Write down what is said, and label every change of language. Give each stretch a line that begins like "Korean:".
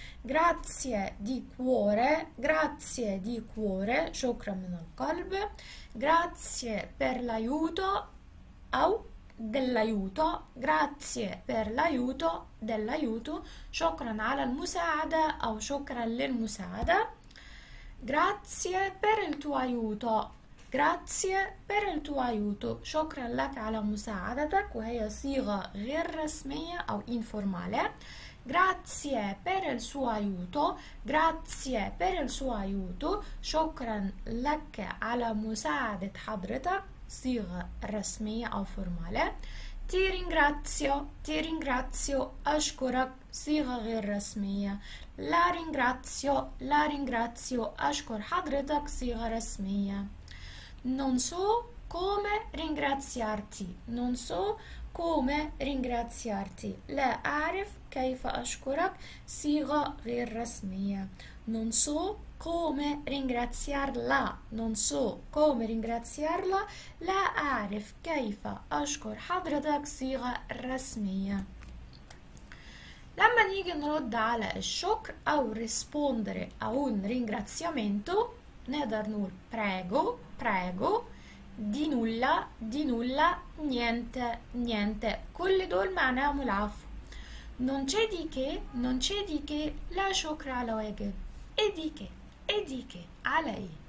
Italian: Grazie di cuore,
Arabic: شكرا من القلب.
Italian: Grazie per l'aiuto او dell'aiuto. Grazie per l'aiuto, dell'aiuto,
Arabic: شكرا على المساعدة او شكرا للمساعدة.
Italian: Grazie per il tuo aiuto. Grazie per il tuo aiuto.
Arabic: شكرا لك على مساعدتك وهي صيغة غير رسمية أو informale.
Italian: Grazie per il suo aiuto. Grazie per il suo aiuto.
Arabic: شكرا لك على مساعدة حضرتك صيغة رسمية أو formale.
Italian: Ti ringrazio,
Arabic: أشكرك صيغة غير رسمية.
Italian: La ringrazio,
Arabic: أشكر حضرتك صيغة رسمية.
Italian: Non so come ringraziarti.
Arabic: لا أعرف كيف أشكرك صيغة غير رسمية.
Italian: Non so come ringraziarla. Non so come ringraziarla.
Arabic: لا أعرف كيف أشكر حضرتك صيغة رسمية. لما نيجي نرد على الشكر أو ريسبوندري أو
Italian: un ringraziamento
Arabic: نقدر نقول
Italian: prego, prego, di nulla, di nulla, niente, niente.
Arabic: كل دول معناهم العفو.
Italian: Non c'è di che, non c'è di che,
Arabic: la shukra al wajib.
Italian: E di che? Alla i.